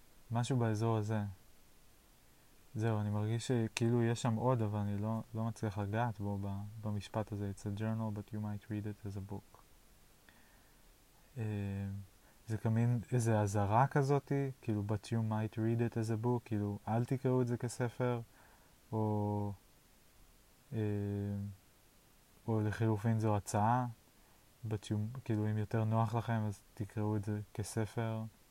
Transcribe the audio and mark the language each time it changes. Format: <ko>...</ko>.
<he>משהו באזור הזה. זהו, אני מרגיש שכאילו יש שם עוד, אבל אני לא מצליח לגעת בו במשפט הזה.</he> <en>It's a journal, but you might read it as a book.</en> <he>זה כמין איזה עזרה כזאת, כאילו,</he> <en>but you might read it as a book,</en> <he>כאילו, אל תקראו את זה כספר, או לחילופין זו הצעה, כאילו, אם יותר נוח לכם, אז תקראו את זה כספר.</he>